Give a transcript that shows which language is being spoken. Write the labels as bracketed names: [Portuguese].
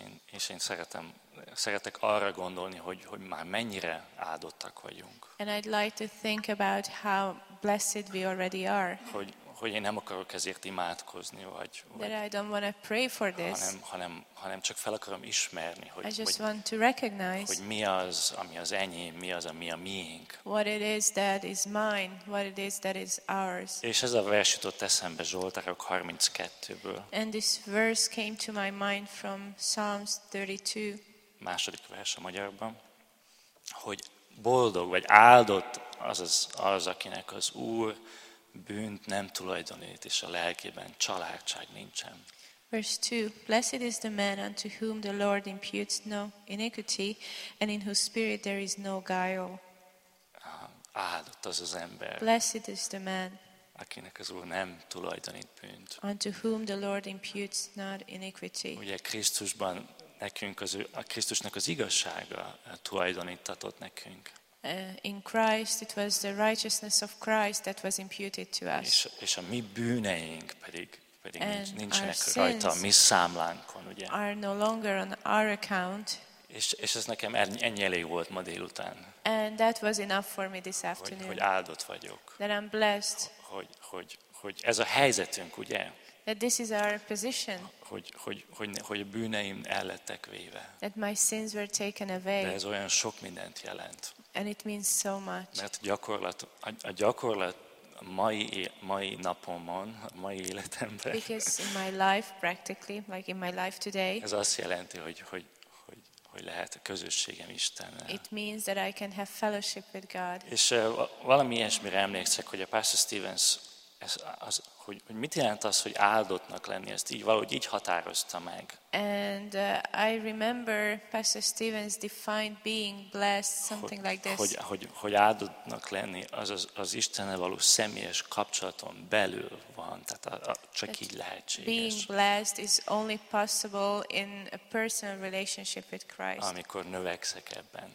[Hungarian] És én szeretek arra gondolni, hogy már mennyire áldottak vagyunk. [English] And I'd like to think about how blessed we already are. [Hungarian] Hogy én nem akarok ezért imádkozni, vagy [English] that I don't want to pray for this. [Hungarian] Hanem csak fel akarom ismerni, hogy mi az, ami az enyém, mi az, ami a miénk. [English] What it is that is mine, what it is that is ours. [Hungarian] És ez a vers jutott eszembe Zsoltárok 32-ből. [English] And this verse came to my mind from Psalms 32. [Hungarian] Második vers a magyarban, hogy boldog vagy áldott az, akinek az Úr bűnt nem tulajdonít, és a lelkében csalárdság nincsen. [English] Verse 2. Blessed is the man unto whom the Lord imputes no iniquity, and in whose spirit there is no guile. [Hungarian] Áldott az az ember. [English] Blessed is the man. [Hungarian] Akinek az Úr nem tulajdonít bűnt. [English] Unto whom the Lord imputes not iniquity. [Hungarian] Ugye Krisztusban nekünk az a Krisztusnak az igazsága tulajdonítatott nekünk. [English] In Christ it was the righteousness of Christ that was imputed to us. [Hungarian] És a mi bűneink pedig nincsenek rajta a mi számlánkon, ugye? [English] Are no longer on our account. [Hungarian] És ez nekem ennyi elég volt ma délután. [English] And that was enough for me this afternoon. [Hungarian] Hogy áldott vagyok. [English] That I'm blessed. [Hungarian] Hogy ez a helyzetünk, ugye? [English] That this is our position. [Hungarian] Hogy a bűneim ellettek véve. [English] That my sins were taken away. [Hungarian] De ez olyan sok mindent jelent. [English] And it means so much. [Hungarian] Mert a gyakorlat mai napomon, mai életemben. [English] Because in my life practically, like in my life today. [Hungarian] Ez azt jelenti, hogy lehet a közösségem Istennel. [English] It means that I can have fellowship with God. [Hungarian] És valami ilyesmire emlékszek, hogy a Pastor Stevens hogy mit jelent az, hogy áldottnak lenni, ezt így valahogy így határozta meg. [English] And I remember Pastor Stevens defined being blessed something like this. [Hungarian] Hogy áldottnak lenni, az Istennel való személyes kapcsolaton belül van, tehát csak így lehetséges. [English] Being blessed is only possible in a personal relationship with Christ. [Hungarian] Amikor növekszek ebben.